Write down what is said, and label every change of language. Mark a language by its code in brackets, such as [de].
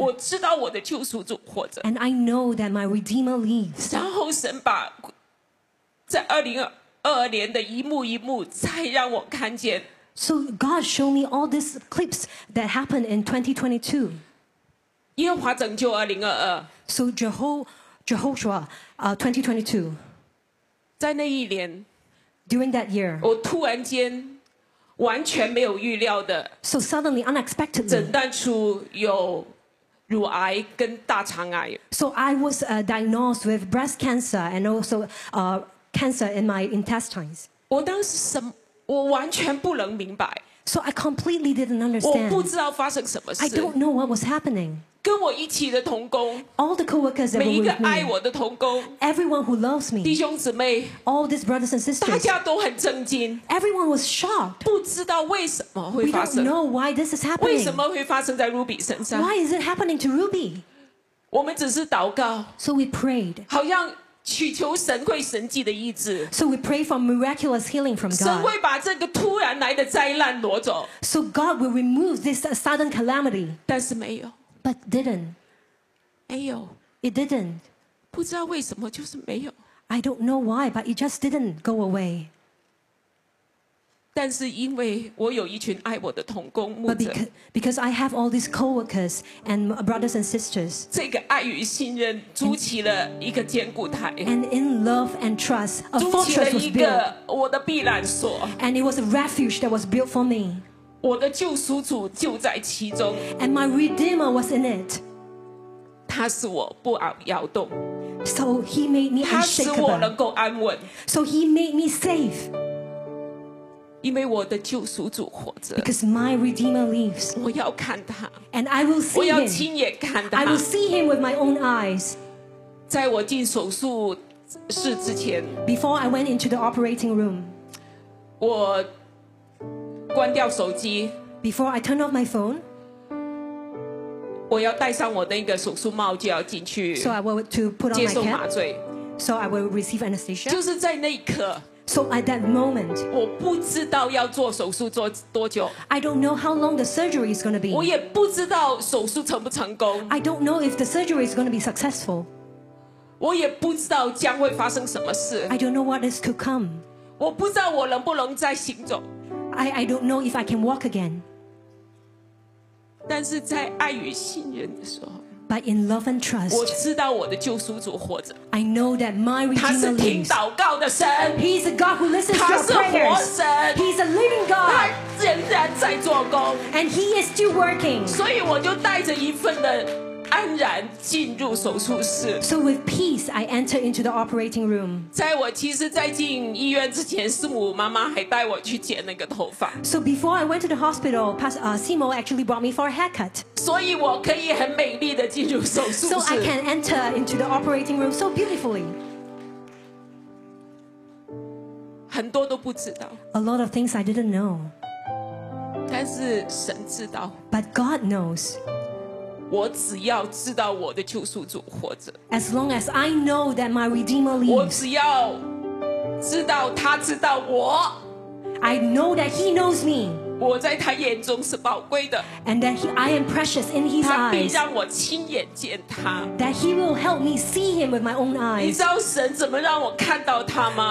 [zh] 我知道我的救赎主活着 [en] and I know that my Redeemer lives. [zh] 然后神把在2022年的一幕一幕再让我看见 [en] So God showed me all these clips that happened in 2022. [zh] 耶和华拯救2022 [en] So Jehoshua 2022 [zh] 在那一年 [en] during that year, [zh] 我突然间完全没有预料的 [en] so suddenly, unexpectedly, [zh] 诊断出有乳癌跟大肠癌 [en] so I was diagnosed with breast cancer and also cancer in my intestines [zh] 我当时什么我完全不能明白 [en] so I completely didn't understand [zh] 我不知道发生什么事 [en] I don't know what was happening [zh] 跟我一起的同工 [en] all the co-workers that were with me, [zh] 每一个爱我的同工 [en] everyone who loves me, [zh] 弟兄姊妹 [en] all these brothers and sisters, [zh] 大家都很震惊 [en] everyone was shocked, [zh] 不知道为什么会发生 [en] we don't know why this is happening, [zh] 为什么会发生在 Ruby 身上 [en] why is it happening to Ruby? [zh] 我们只是祷告 [en] so we prayed, [zh] 好像祈求神会神迹的医治 [en] so we pray for miraculous healing from God, [zh] 神会把这个突然来的灾难挪走 [en] so God will remove this sudden calamity, [zh] 但是没有 [en] But didn't. [zh] 没有 [en] It didn't. [zh] 不知道为什么就是没有 [en] I don't know why, but it just didn't go away. [zh] 但是因为我有一群爱我的同工牧者 [en] because I have all these co-workers and brothers and sisters [zh] 这个爱与信任筑起了一个坚固台 [en] and in love and trust a fortress was built [zh] 筑起了一个我的避难所 [en] and it was a refuge that was built for me [zh] 我的救赎主就在其中 [en] and my redeemer was in it [zh] 他使我不摇动 [en] so he made me unshakable [zh] 他使我能够安稳 [en] so he made me safe [zh] 因为我的救赎主活着 [en] Because my Redeemer lives [zh] 我要看他 [en] And I will see him [zh] 我要亲眼看他 [en] I will see him with my own eyes [zh] 在我进手术室之前 [en] Before I went into the operating room [zh] 我关掉手机 [en] Before I turned off my phone [zh] 我要戴上我的一个手术帽就要进去 [en] So I will to put on my cap [zh] 接受麻醉 [en] So I will receive anesthesia [zh] 就是在那一刻 [en] So at that moment, [zh] 我不知道要做手术做多久。 [en] I don't know how long the surgery is going to be. [zh] 我也不知道手术成不成功。 [en] I don't know if the surgery is going to be successful. [zh] 我也不知道将会发生什么事。 [en] I don't know what is to come. [zh] 我不知道我能不能再行走。 [en] I don't know if I can walk again. [zh] 但是在爱与信任的时候。 [en] But in love and trust, [zh] 我知道我的救赎主活着。 [en] I know that my Redeemer lives. [zh] 他是听祷告的神。 [en] He's a God who listens to prayers. [zh] 他是活神。 [en] He's a living God. [zh] 他仍然在做工。 [en] And he is still working. [zh] 所以我就带着一份的安然进入手术室。 [en] So with peace, I enter into the operating room. [zh] 在我其实，在进医院之前，师母妈妈还带我去剪那个头发。 [en] So before I went to the hospital, Simo actually brought me for a haircut. [zh] 所以我可以很美丽的进入手术室。 [en] So I can enter into the operating room so beautifully. [zh] 很多都不知道。 [en] A lot of things I didn't know. [zh] 但是神知道。 [en] But God knows. [zh] 我只要知道我的救赎主活着。 [en] As long as I know that my Redeemer lives. [zh] 我只要知道他知道我。 [en] I know that he knows me. [zh] 我在他眼中是宝贵的。 [en] And that I am precious in his eyes. [zh] 他必让我亲眼见他。 [en] That he will help me see him with my own eyes. [zh] 你知道神怎么让我看到他吗